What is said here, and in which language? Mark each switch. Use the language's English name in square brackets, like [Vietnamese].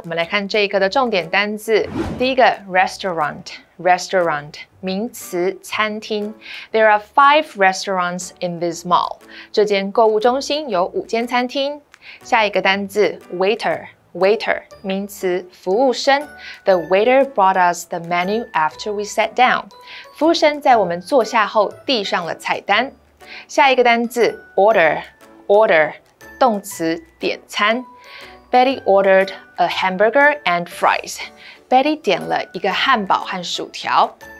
[Chinese] 我们来看这一课的重点单字。第一个 restaurant, restaurant, 名词餐厅。 [English] There are 5 restaurants in this mall. [Chinese] 这间购物中心有5间餐厅。下一个单字 waiter, waiter, 名词服务生。 [English] The waiter brought us the menu after we sat down. [Chinese] 服务生在我们坐下后递上了菜单。下一个单字 order, order, 动词点餐。 [English] Betty ordered a hamburger and fries. [Chinese] Betty 点了一个汉堡和薯条。